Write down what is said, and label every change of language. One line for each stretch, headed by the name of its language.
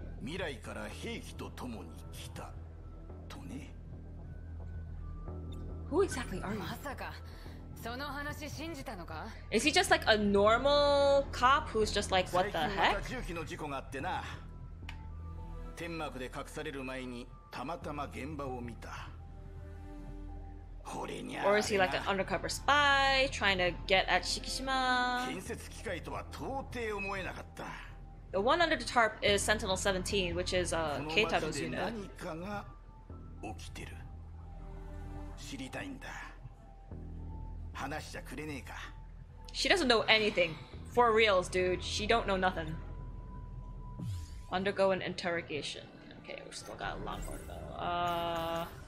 Japanese: 未来から兵器と共に来たとね。
English: Who exactly are you?
Japanese: まさかその話信じたのか?
English: Is he just like a normal cop who's just like, what the heck?
Japanese: 最近また銃器の事故があってな。天幕で隠される前にたまたま現場を見た。
English: Or is he like an undercover spy trying to get at Shikishima?
Japanese: 建設機械とは到底思えなかった。
English: The one under the tarp is Sentinel 17, which is Keitaro's unit.
Japanese: この町で何かが起きてる。知りたいんだ。話しちゃくれねえか。
English: She doesn't know anything. For reals, dude. She don't know nothing. Undergo an interrogation. Okay, we still got a lot more though.